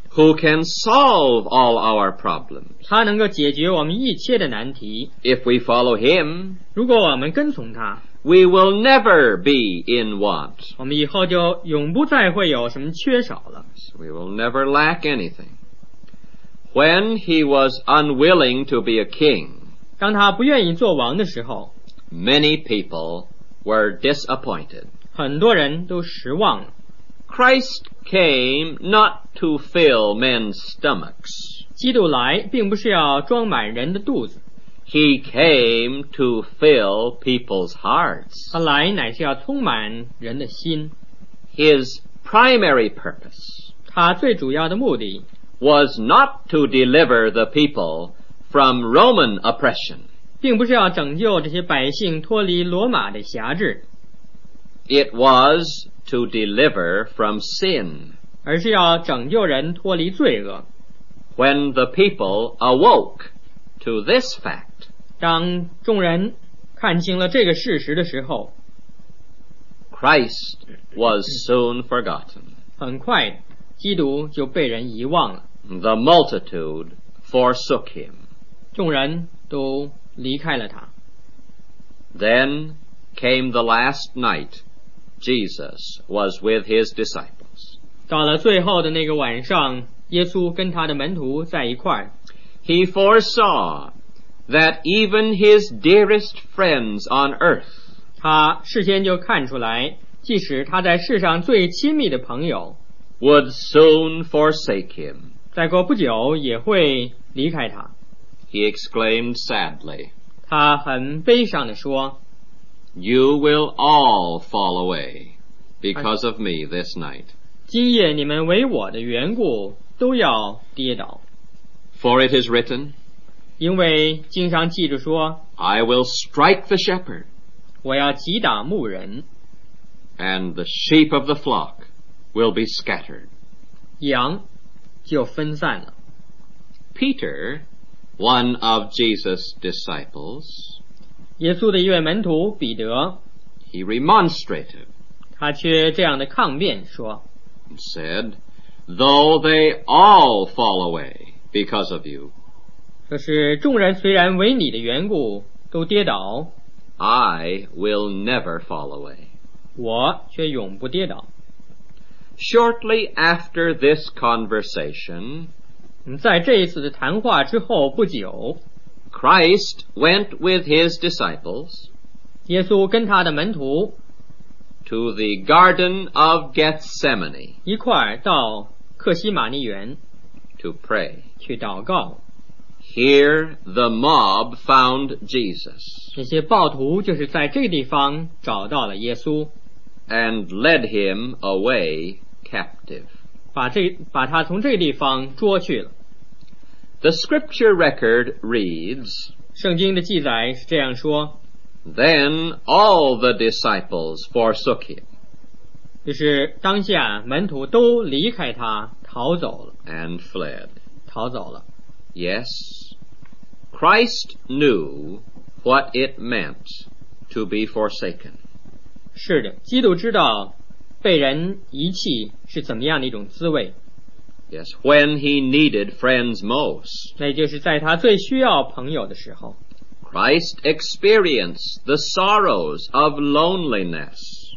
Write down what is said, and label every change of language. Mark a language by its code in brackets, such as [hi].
[en] Who can solve all our problems. [zh] 他能够解决我们一切的难题。 [en] If we follow him. [zh] 如果我们跟从他。 [en] We will never be in want. [zh] 我们以后就永不再会有什么缺少了。 [en] We will never lack anything. When he was unwilling to be a king, [zh] 当他不愿意做王的时候, [en] many people were disappointed. [zh] 很多人都失望了。 [en] Christ came not to fill men's stomachs. [zh] 基督来并不是要装满人的肚子。 [en] He came to fill people's hearts. [zh] 他来乃是要充满人的心。 [en] His primary purpose, [zh] 他最主要的目的, [en] was not to deliver the people from Roman oppression. [zh] 并不是要拯救这些百姓脱离罗马的辖制。 [en] It was to deliver from sin. [zh] 而是要拯救人脱离罪恶。 [en] When the people awoke to this fact, [zh] 当众人看清了这个事实的时候， [en] Christ was soon forgotten. [zh] 很快基督就被人遗忘了。 [en] The multitude forsook him. [zh] 众人都离开了他。 [en] Then came the last night Jesus was with his disciples. [zh] 到了最后的那个晚上，耶稣跟他的门徒在一块。 [en] He foresaw that even his dearest friends on earth, [zh] 他事先就看出来，即使他在世上最亲密的朋友， [en] would soon forsake him, [zh] 再过不久也会离开他。 [en] He exclaimed sadly, [zh] 他很悲伤地说， [en] You will all fall away because of me this night. [zh] 今夜你们为我的缘故都要跌倒。 [en] For it is written, [zh] 因为经上记着说， [en] I will strike the shepherd, [zh] 我要击打牧人， [en] and the sheep of the flock will be scattered. [zh] 羊就分散了。 [en] Peter, one of Jesus' disciples, [zh] 耶稣的一位门徒彼得, [en] he remonstrated, [zh] 他却这样的抗辩说, [en] and said, though they all fall away because of you, [zh] 就是众人虽然为你的缘故都跌倒, [en] I will never fall away. [zh] 我却永不跌倒。 [en] Shortly after this conversation, [zh] 在这一次的谈话之后不久, [en] Christ went with his disciples, [zh] 耶稣跟他的门徒, [en] to the Garden of Gethsemane, [zh] 一块到克西马尼园, [en] to pray, [zh] 去祷告。 [en] Here the mob found Jesus, [zh] 那些暴徒就是在这个地方找到了耶稣。 [en] And led him away captive. [zh] 把他从这个地方捉去了。 [en] The scripture record reads, [zh] 圣经的记载是这样说, [en] Then all the disciples forsook him. [zh] 就是当下门徒都离开他逃走了。 [en] And fled. [zh] 逃走了。 [en] Yes, Christ knew what it meant to be forsaken. [zh] 是的，基督知道被人遗弃是怎么样的一种滋味。 [en] Yes, when he needed friends most. [zh] 那就是在他最需要朋友的时候。 [en] Christ experienced the sorrows of loneliness.